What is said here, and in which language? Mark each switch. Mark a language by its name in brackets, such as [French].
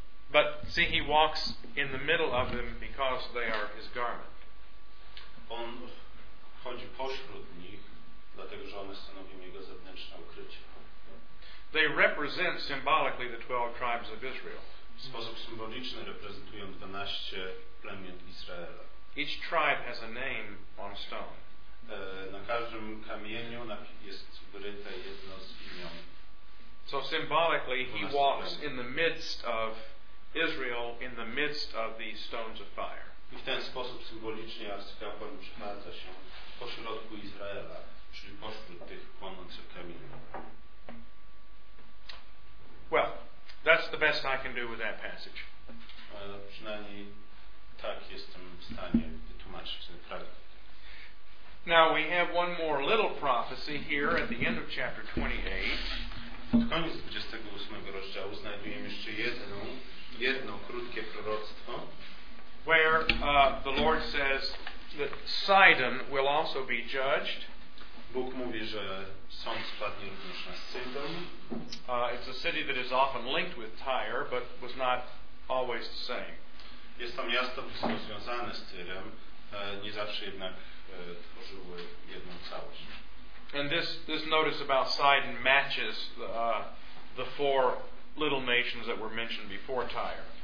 [English] But see, he walks in the middle of them because they are his garment. [Polish] On chodzi pośród nich, dlatego że one stanowią jego zewnętrzne ukrycie. [English] They represent symbolically the 12 tribes of Israel. [Polish] W sposób symboliczny reprezentują 12 plemion Izraela. [English] Each tribe has a name on stone. [Polish] Na każdym kamieniu jest wyryte jedno z imion. [English] So symbolically, he walks in the midst of Israel, in the midst of these stones of fire. [Polish] I w ten sposób symbolicznie arcykapłan przechadza się pośrodku Izraela, czyli pośród tych płonących kamieni. [English] Well, that's the best I can do with that passage. [Polish] Przynajmniej tak jestem w stanie wytłumaczyć ten fragment. [English] Now we have one more little prophecy here at the end of chapter 28. [Polish] Pod koniec 28 rozdziału znajdujemy jeszcze jedno krótkie proroctwo, [English] where the Lord says that Sidon will also be judged. [Polish] Bóg mówi, że sąd spadnie również na Sidon. [English] It's a city that is often linked with Tyre, but was not always the same. [Polish] Jest to miasto blisko związane z Tyrem, nie zawsze jednak tworzyły jedną całość. [English] And this notice about Sidon matches the four little nations that were mentioned before Tyre.